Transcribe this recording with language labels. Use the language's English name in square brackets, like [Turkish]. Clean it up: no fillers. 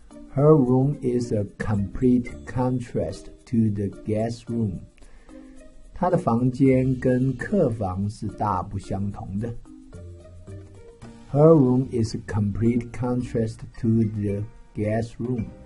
[English] Her room is a complete contrast to the guest room. [Chinese] 她的房间跟客房是大不相同的。 [English] Her room is a complete contrast to the guest room.